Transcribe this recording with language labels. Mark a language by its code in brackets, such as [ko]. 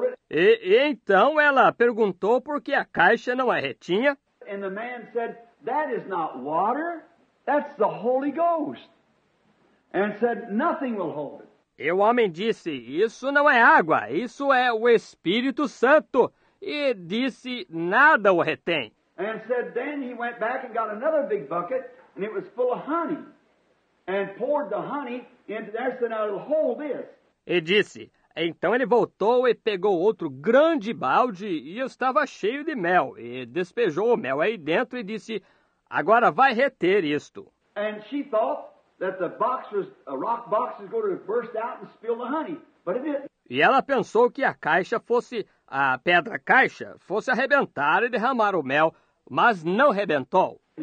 [pt] E então ela perguntou por que a caixa não a retinha. [en] And the man said, "That is not water. That's the Holy Ghost." And said, "Nothing will hold it." [pt] E o homem disse, "Isso não é água, isso é o Espírito Santo." E disse, "Nada o retém." [en] And said, then he went back and got another big bucket, and it was full of honey, and poured the honey into there, said, "Now it'll hold this." [pt] E disse, então ele voltou e pegou outro grande balde e estava cheio de mel, e despejou o mel aí dentro e disse, agora vai reter isto. [en] And she thought that the box was a rock box is going to burst out and spill the honey, but it didn't. [pt] E ela pensou que a caixa fosse, a pedra caixa, fosse arrebentar e derramar o mel, mas não rebentou.